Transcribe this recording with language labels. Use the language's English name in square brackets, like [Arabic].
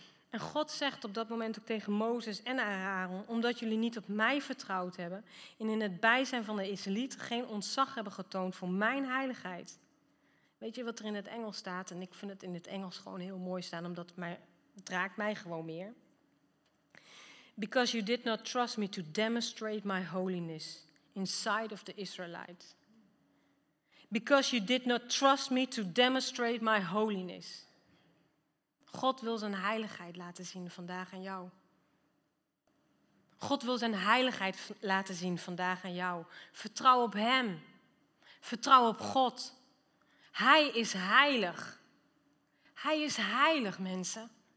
[Dutch] En God zegt op dat moment ook tegen Mozes en Aaron, omdat jullie niet op mij vertrouwd hebben en in het bijzijn van de Israëlieten geen ontzag hebben getoond voor mijn heiligheid. Weet je wat er in het Engels staat? En ik vind het in het Engels gewoon heel mooi staan, omdat het raakt mij gewoon meer. [English] Because you did not trust me to demonstrate my holiness inside of the Israelites. Because you did not trust me to demonstrate my holiness. [Dutch] God wil zijn heiligheid laten zien vandaag aan jou. God wil zijn heiligheid laten zien vandaag aan jou. Vertrouw op hem. Vertrouw op God. Hij is heilig. Hij is heilig, mensen.